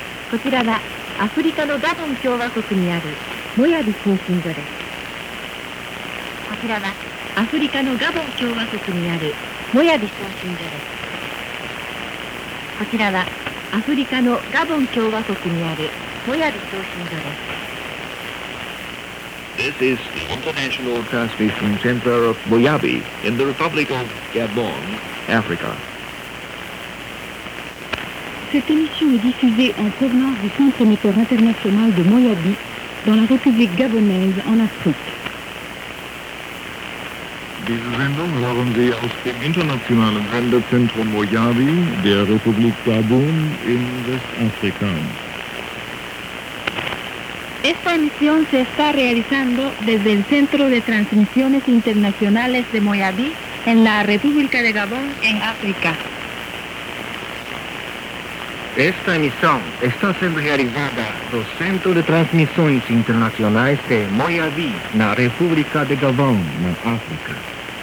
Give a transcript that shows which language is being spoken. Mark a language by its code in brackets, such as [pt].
[ja] こちらはアフリカのガボン共和国にあるモヤビ送信所です。こちらはアフリカのガボン共和国にあるモヤビ送信所です。こちらはアフリカのガボン共和国にあるモヤビ送信所です。 [en] This is the International Transmission Center of Moyabi in the Republic of Gabon, Africa. [fr] Cette émission est diffusée en provenance du Centre émetteur international de Moyabi dans la République gabonaise en Afrique. [de] Diese Sendung hören Sie aus dem internationalen Sendezentrum Moyabi der Republik Gabon in Westafrika. [es] Esta emisión se está realizando desde el Centro de Transmisiones Internacionales de Moyabi en la República de Gabon en África. Esta emisión está siendo realizada por el Centro de Transmisiones Internacionales de Moyabi, en la República de Gabón, en África.